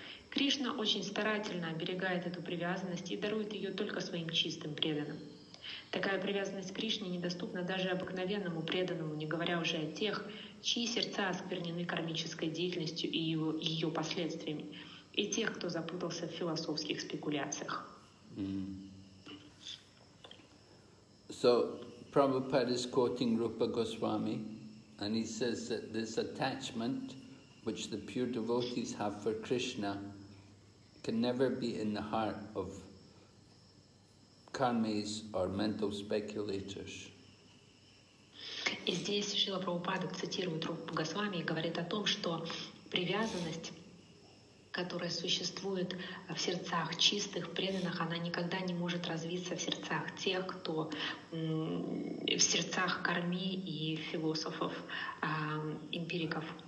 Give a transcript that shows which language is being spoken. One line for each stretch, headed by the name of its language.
Russian: Кришна очень старательно оберегает эту привязанность и дарует ее только своим чистым преданным. Такая привязанность к Кришне недоступна даже обыкновенному преданному, не говоря уже о тех, чьи сердца осквернены кармической деятельностью и ее последствиями, и тех, кто запутался в философских спекуляциях.
English: So, Prabhupada is quoting Rupa Goswami, and he says that this attachment which the pure devotees have for Krishna can never be in the heart of karmis or mental speculators.
Russian: И здесь Шрила Прабхупада цитирует Рупу Госвами и говорит о том, что привязанность, которая существует в сердцах чистых, преданных, она никогда не может развиться в сердцах тех, кто в сердцах карми и философов, эмпириков.